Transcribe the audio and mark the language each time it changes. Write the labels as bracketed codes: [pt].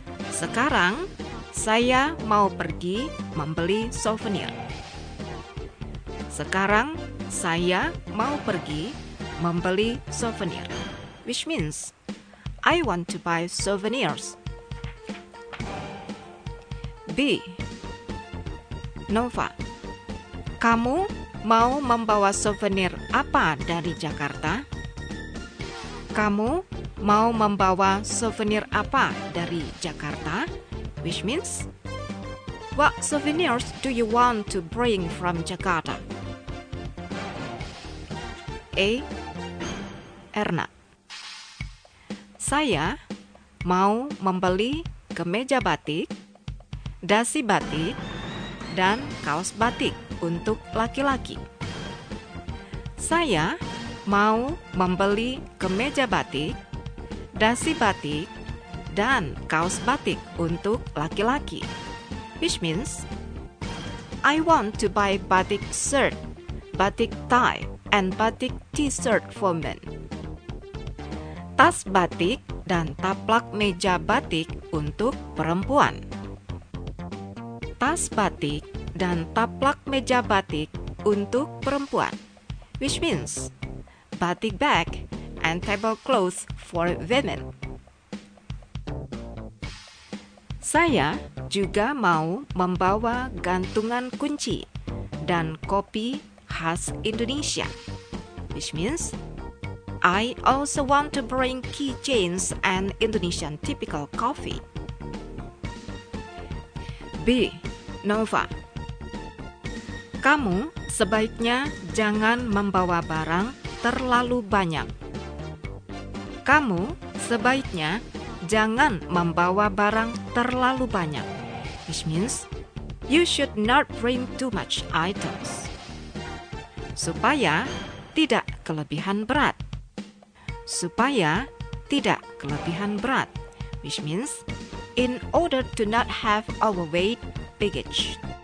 [id] Sekarang, saya mau pergi membeli souvenir. Sekarang, saya mau pergi membeli souvenir. [en] Which means, I want to buy souvenirs. B. [id] Nova, kamu mau membawa souvenir apa dari Jakarta? Kamu mau membawa souvenir apa dari Jakarta? [en] Which means, what souvenirs do you want to bring from Jakarta? [id] A. Erna, saya mau membeli kemeja batik, dasi batik, dan kaos batik untuk laki-laki. Saya mau membeli kemeja batik, dasi batik, dan kaos batik untuk laki-laki. [en] Which means, I want to buy batik shirt, batik tie, and batik t-shirt for men. [id] Tas batik dan taplak meja batik untuk perempuan. Tas batik dan taplak meja batik untuk perempuan. [en] Which means, batik bag and table clothes for women. [id] Saya juga mau membawa gantungan kunci dan kopi khas Indonesia. [en] Which means, I also want to bring keychains and Indonesian typical coffee. B. [id] Nova, kamu sebaiknya jangan membawa barang terlalu banyak. Kamu sebaiknya jangan membawa barang terlalu banyak. [en] Which means, you should not bring too much items. [id] Supaya tidak kelebihan berat. Supaya tidak kelebihan berat. [en] Which means, in order to not have overweight baggage.